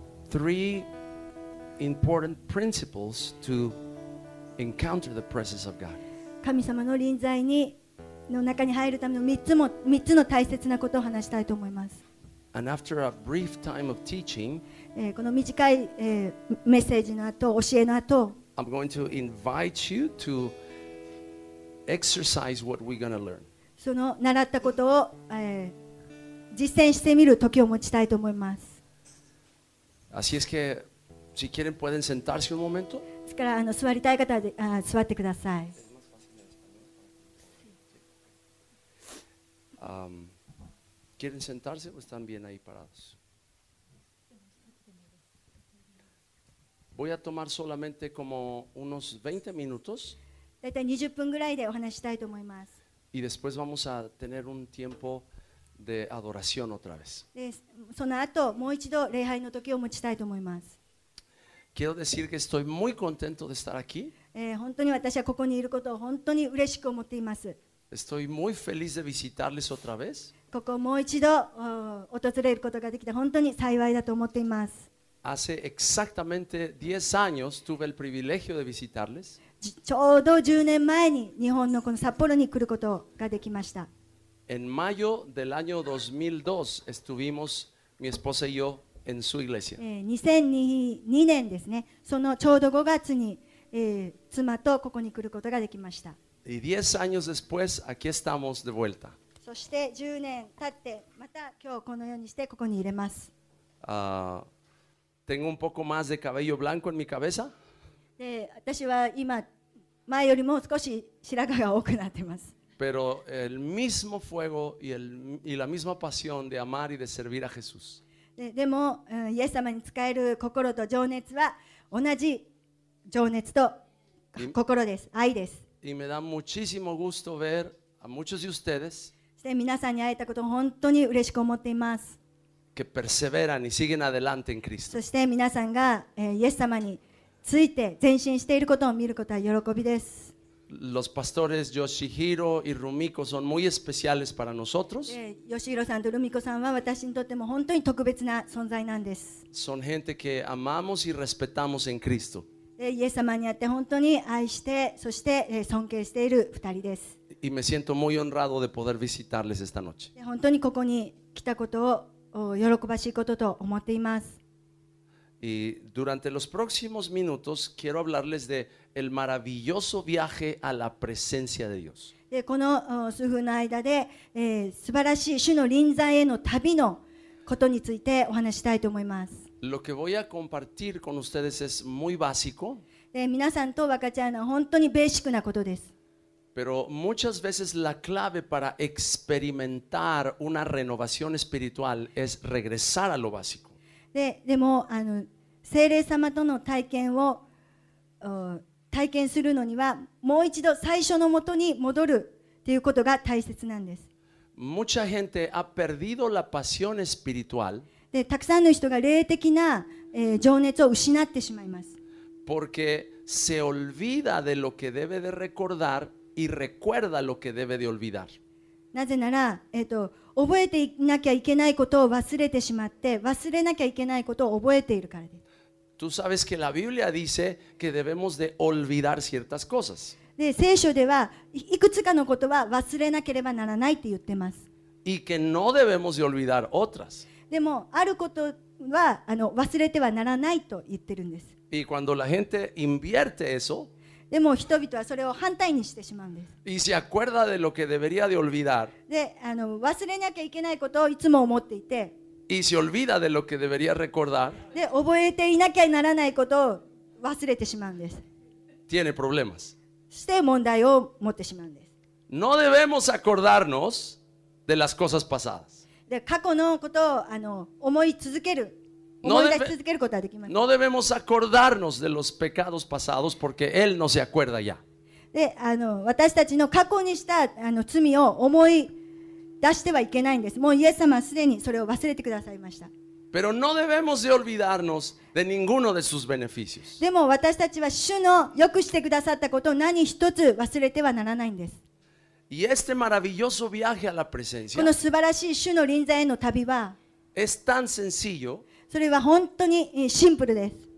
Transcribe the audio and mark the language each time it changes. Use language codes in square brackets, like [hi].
[en] Three important principles to encounter the presence of God. [ja] 神様の臨在にの中に入るための3つの大切なことを話したいと思います。 [en] And after a brief time of teaching, [ja] この短いメッセージの後、教えの後、 [en] I'm going to invite you to exercise what we're going to learn. [ja] その習ったことを、実践してみる時を持ちたいと思います。 [es] Así es que, si quieren, pueden sentarse un momento. [ja] ですから座りたい方は座ってください。 [es] quieren sentarse o están bien ahí parados? Voy a tomar solamente como unos 20 minutos. [ja] だいたい20分ぐらいでお話したいと思います。 [es] Y después vamos a tener un tiempo de adoración otra vez. [ja] その後もう一度礼拝の時を持ちたいと思います。 [es] Quiero decir que estoy muy contento de estar aquí. [ja] 本当に私はここにいることを本当に嬉しく思っています。 [es] Estoy muy feliz de visitarles otra vez. [ja] ここもう一度訪れることができて本当に幸いだと思っています。 [es] Hace exactamente 10 años tuve el privilegio de visitarles. [ja] ちょうど10年前に日本のこの札幌に来ることができました。 [es] En mayo del año 2002 estuvimos mi esposa y yo en su iglesia. [ja] 2002年ですね。そのちょうど5月に、妻とここに来ることができました。 [es] Y 10 años después aquí estamos de vuelta. [ja] そして10年経ってまた今日このようにしてここに入れます。 [es] Tengo un poco más de cabello blanco en mi cabeza. [ja] で私は今前よりも少し白髪が多くなってます。 [es] Pero el mismo fuego y la misma pasión de amar y de servir a Jesús. [ja] でも、イエス様に使える心と情熱は同じ情熱と心です。愛です。 [es] Y me da muchísimo gusto ver a muchos de ustedes. [ja] で皆さんに会えたことを本当に嬉しく思っています。 [es] Que perseveran y siguen adelante en Cristo. [ja] そして皆さんが、イエス様について前進していることを見ることは喜びです。 [es] Los pastores Yoshihiro y Rumiko son muy especiales para nosotros. [ja] Yoshihiro さんとルミコさんは私にとっても本当に特別な存在なんです。 [es] Son gente que amamos y respetamos en Cristo. [ja] イエス様にあって本当に愛して、そして尊敬している2人です。 [es] Y me siento muy honrado de poder visitarles esta noche. [ja] 本当にここに来たことを喜ばしいことと思っています。 [es] Y durante los próximos minutos quiero hablarles de el maravilloso viaje a la presencia de Dios. [ja] De この数分の間で、素晴らしい主の臨在への旅のことについてお話したいと思います。 [es] Lo que voy a compartir con ustedes es muy básico. [ja] De 皆さんと分かち合うのは本当にベーシックなことです。 [es] Pero muchas veces la clave para experimentar una renovación espiritual es regresar a lo básico. [ja] でも聖霊様との体験を体験するのにはもう一度最初のもとに戻るということが大切なんです。 [es] Mucha gente ha perdido la pasión espiritual. [ja] でたくさんの人が霊的な、情熱を失ってしまいます。 [es] Porque se olvida de lo que debe de recordar y recuerda lo que debe de olvidar. [ja] なぜなら、覚えていなきゃいけないことを忘れてしまって、忘れなきゃいけないことを覚えているからです。 [es] Tú sabes que la Biblia dice que debemos de olvidar ciertas cosas. [ja] で、聖書では、いくつかのことは忘れなければならないって言ってます。 [es] Y que no debemos de olvidar otras. [ja] でも、あることは忘れてはならないと言ってるんです。 [es] Y cuando la gente invierte eso, [ja] でも人々はそれを反対にしてしまうんです。 [es] Y se acuerda de lo que debería de olvidar. [ja] で、忘れなきゃいけないことをいつも思っていて。 [es] Y se olvida de lo que debería recordar. [ja] で、覚えていなきゃならないことを忘れてしまうんです。 [es] Tiene problemas. [ja] して問題を持ってしまうんです。 [es] No debemos acordarnos de las cosas pasadas. [ja] で、過去のことを思い続ける。 [es] No debemos acordarnos de los pecados pasados porque Él no se acuerda ya. [ja] で、私たちの過去にした罪を思い出してはいけないんです。もうイエス様はすでにそれを忘れてくださいました。 [es] Pero no debemos de olvidarnos de ninguno de sus beneficios. [ja] でも私たちは主の良くしてくださったことを何一つ忘れてはならないんです。 [es] Y este maravilloso viaje a la presencia. [ja] この素晴らしい主の臨在への旅は。 [es] Es tan sencillo. [ja] それは本当にシンプルです。